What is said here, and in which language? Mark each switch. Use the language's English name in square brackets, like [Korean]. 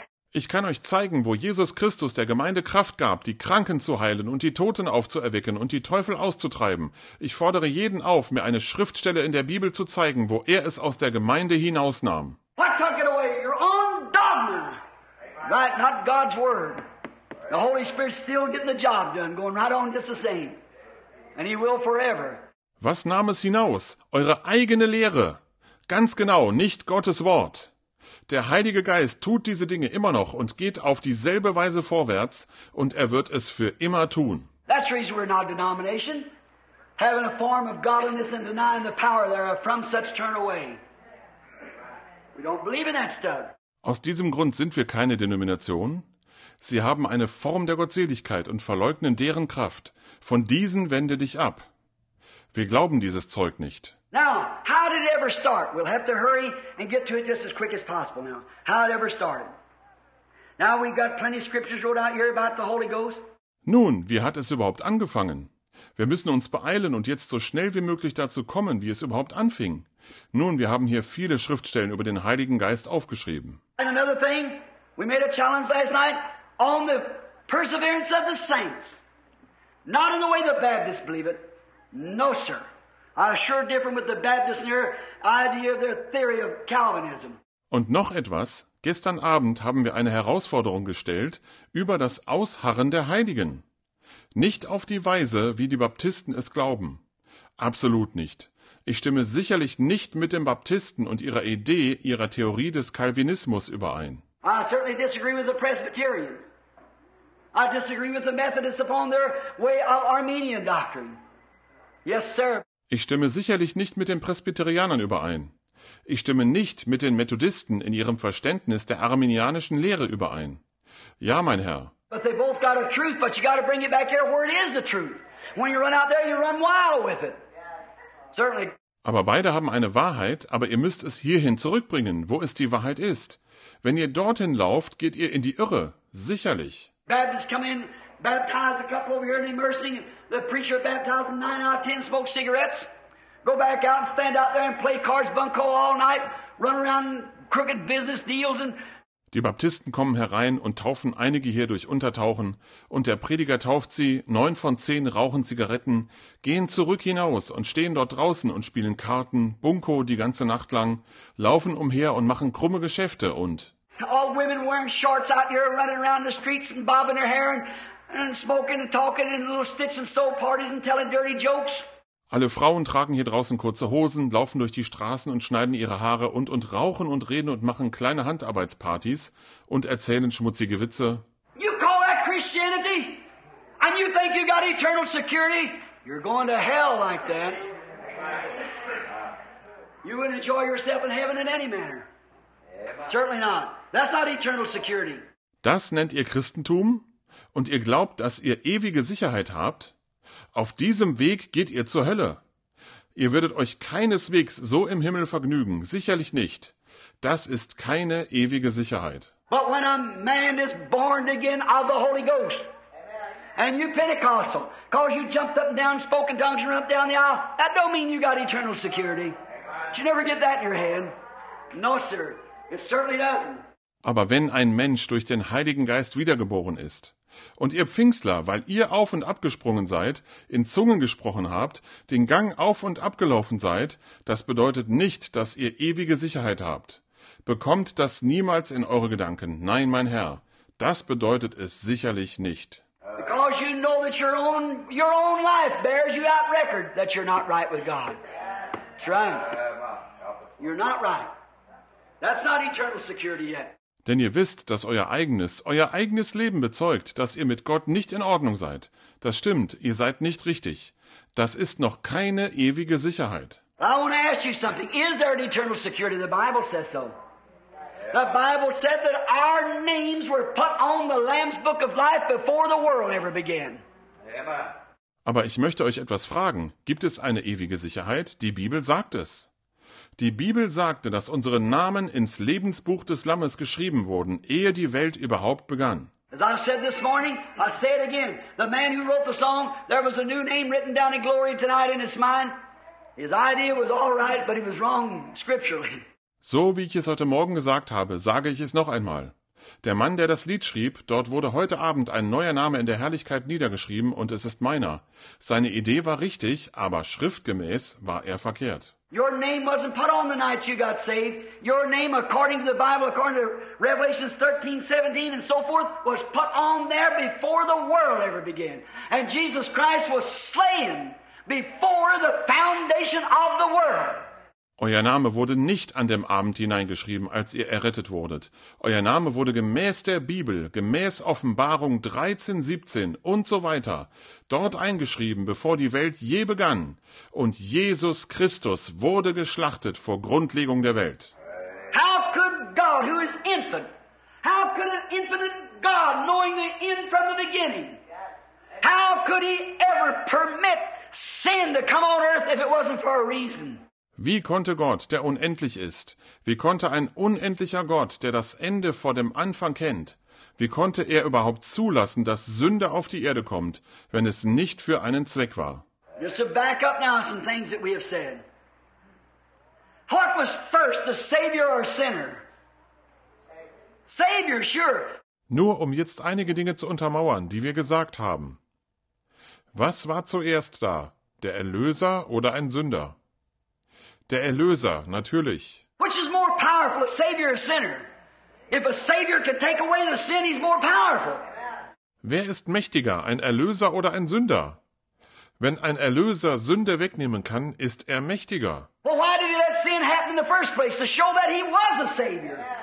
[German] Ich kann euch zeigen, wo Jesus Christus der Gemeinde Kraft gab, die Kranken zu heilen und die Toten aufzuerwecken und die Teufel auszutreiben. Ich fordere jeden auf, mir eine Schriftstelle in der Bibel zu zeigen, wo er es aus der Gemeinde hinausnahm. [English] What took it away? Your own dogma. Right, not God's word. The Holy Spirit's still getting the job done, going right on just the same. And he will forever. [German] Was nahm es hinaus? Eure eigene Lehre. Ganz genau, nicht Gottes Wort. Der Heilige Geist tut diese Dinge immer noch und geht auf dieselbe Weise vorwärts, und er wird es für immer tun. [English] That's the reason we're not a denomination. Having a form of godliness and denying the power thereof, from such turn away. We don't believe in that stuff. [German] Aus diesem Grund sind wir keine Denomination. Sie haben eine Form der Gottseligkeit und verleugnen deren Kraft. Von diesen wende dich ab. Wir glauben dieses Zeug nicht. [English] Now, how did it ever start? We'll have to hurry and get to it just as quick as possible now. How it ever started? Now we've got plenty of scriptures wrote out here about the Holy Ghost. [German] Nun, wie hat es überhaupt angefangen? Wir müssen uns beeilen und jetzt so schnell wie möglich dazu kommen, wie es überhaupt anfing. Nun, wir haben hier viele Schriftstellen über den Heiligen Geist aufgeschrieben. [English] And another thing, we made a challenge last night on the perseverance of the saints. Not in the way the Baptists believe it. No, sir. I sure differ with the Baptists in their idea of their theory of Calvinism. [German] Und noch etwas. Gestern Abend haben wir eine Herausforderung gestellt über das Ausharren der Heiligen. Nicht auf die Weise, wie die Baptisten es glauben. Absolut nicht. Ich stimme sicherlich nicht mit den Baptisten und ihrer Idee, ihrer Theorie des Calvinismus überein. [English] I certainly disagree with the Presbyterians. I disagree with the Methodists upon their way of Arminian doctrine. Yes, sir. [German] Ich stimme sicherlich nicht mit den Presbyterianern überein. Ich stimme nicht mit den Methodisten in ihrem Verständnis der arminianischen Lehre überein. Ja, mein Herr. [English] But they both got a truth, but you got to bring it back here where it is the truth. When you run out there, you run wild with it. Certainly. [German] Aber beide haben eine Wahrheit, aber ihr müsst es hierhin zurückbringen, wo es die Wahrheit ist. Wenn ihr dorthin lauft, geht ihr in die Irre, sicherlich. [English] Baptists come in, baptize a couple over here in the immersing, the preacher baptized them, 9 out of 10 smoke cigarettes, go back out and stand out there and play cards, bunco all night, run around crooked business deals and... [German] Die Baptisten kommen herein und taufen einige hier durch Untertauchen, und der Prediger tauft sie, 9 von 10 rauchen Zigaretten, gehen zurück hinaus und stehen dort draußen und spielen Karten, Bunko die ganze Nacht lang, laufen umher und machen krumme Geschäfte und... [English] All women wearing shorts out here running around the streets and bobbing their hair and smoking and talking in little stitch and sew parties and telling dirty jokes. [German] Alle Frauen tragen hier draußen kurze Hosen, laufen durch die Straßen und schneiden ihre Haare und rauchen und reden und machen kleine Handarbeitspartys und erzählen schmutzige Witze. [English] You call that Christianity? And you think you got eternal security? You're going to hell like that. You wouldn't enjoy yourself in heaven in any manner. Certainly not. That's not eternal security. [German] Das nennt ihr Christentum? Und ihr glaubt, dass ihr ewige Sicherheit habt? Auf diesem Weg geht ihr zur Hölle. Ihr würdet euch keineswegs so im Himmel vergnügen, sicherlich nicht. Das ist keine ewige Sicherheit. [English] But when a man is born again of the Holy Ghost, And you Pentecostal, because you jumped up and down, spoke in tongues and jumped down the aisle, that don't mean you got eternal security. Did you never get that in your head? No, sir. It certainly doesn't. [German] Aber wenn ein Mensch durch den Heiligen Geist wiedergeboren ist, und ihr Pfingstler, weil ihr auf- und abgesprungen seid, in Zungen gesprochen habt, den Gang auf- und abgelaufen seid, das bedeutet nicht, dass ihr ewige Sicherheit habt. Bekommt das niemals in eure Gedanken. Nein, mein Herr, das bedeutet es sicherlich nicht. [English] Because you know that your own life bears you out record that you're not right with God. That's right. You're not right. That's not eternal security yet. [German] Denn ihr wisst, dass euer eigenes Leben bezeugt, dass ihr mit Gott nicht in Ordnung seid. Das stimmt, ihr seid nicht richtig. Das ist noch keine ewige Sicherheit. [English] I want to ask you something. Is there an eternal security? The Bible says so. The Bible said that our names were put on the Lamb's Book of Life before the world ever began. [German] Aber ich möchte euch etwas fragen. Gibt es eine ewige Sicherheit? Die Bibel sagt es. Die Bibel sagte, dass unsere Namen ins Lebensbuch des Lammes geschrieben wurden, ehe die Welt überhaupt begann. [English] As I said this morning, I say it again. The man who wrote the song, there was a new name written down in glory tonight in his mind. His idea was all right, but he was wrong scripturally. [German] So wie ich es heute Morgen gesagt habe, sage ich es noch einmal. Der Mann, der das Lied schrieb, dort wurde heute Abend ein neuer Name in der Herrlichkeit niedergeschrieben und es ist meiner. Seine Idee war richtig, aber schriftgemäß war er verkehrt. [English] Your name wasn't put on the night you got saved. Your name, according to the Bible, according to Revelation 13:17 and so forth, was put on there before the world ever began. And Jesus Christ was slain before the foundation of the world. [German] Euer Name wurde nicht an dem Abend hineingeschrieben, als ihr errettet wurdet. Euer Name wurde gemäß der Bibel, gemäß Offenbarung 13:17 und so weiter, dort eingeschrieben, bevor die Welt je begann. Und Jesus Christus wurde geschlachtet vor Grundlegung der Welt. [English] How could God, who is infinite, how could an infinite God, knowing the end from the beginning, how could he ever permit sin to come on earth if it wasn't for a reason? [German] Wie konnte Gott, der unendlich ist, wie konnte ein unendlicher Gott, der das Ende vor dem Anfang kennt, wie konnte er überhaupt zulassen, dass Sünde auf die Erde kommt, wenn es nicht für einen Zweck war? [English] Just to back up now some things that we have said. What was first, the Savior or sinner? Savior, sure. [German] Nur um jetzt einige Dinge zu untermauern, die wir gesagt haben. Was war zuerst da, der Erlöser oder ein Sünder? Der Erlöser, natürlich. [English] Which is more powerful, a savior or sinner? If a savior can take away the sin, he's more powerful. [German] Wer ist mächtiger, ein Erlöser oder ein Sünder? Wenn ein Erlöser Sünde wegnehmen kann, ist er mächtiger. [English] Well, why did that sin happen in the first place? To show that he was a savior.